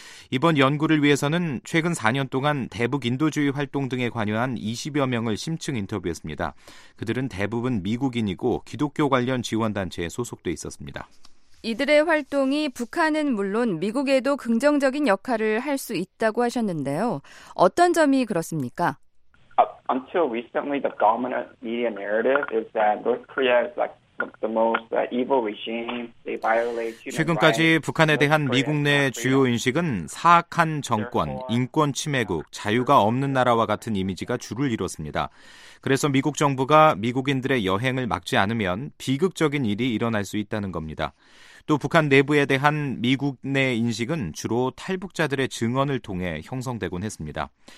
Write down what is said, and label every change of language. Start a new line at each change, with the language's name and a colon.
Korean: 이번 연구를 위해서는 최근 4년 동안 대북 인도주의 활동 등에 관여한 20여 명을 심층 인터뷰했습니다. 그들은 대부분 미국인이고 기독교 관련 지원단체에 소속돼 있었습니다. 이들의 활동이 북한은 물론 미국에도 긍정적인 역할을 할 수 있다고 하셨는데요. 어떤 점이 그렇습니까?
English: Until recently, the dominant media narrative is that North Korea is like the most evil regime. They violate.
Korean: 최근까지 북한에 대한 미국 내 주요 인식은 사악한 정권, 인권 침해국, 자유가 없는 나라와 같은 이미지가 주를 이뤘습니다. 그래서 미국 정부가 미국인들의 여행을 막지 않으면 비극적인 일이 일어날 수 있다는 겁니다. 또 북한 내부에 대한 미국 내 인식은 주로 탈북자들의 증언을 통해 형성되곤 했습니다.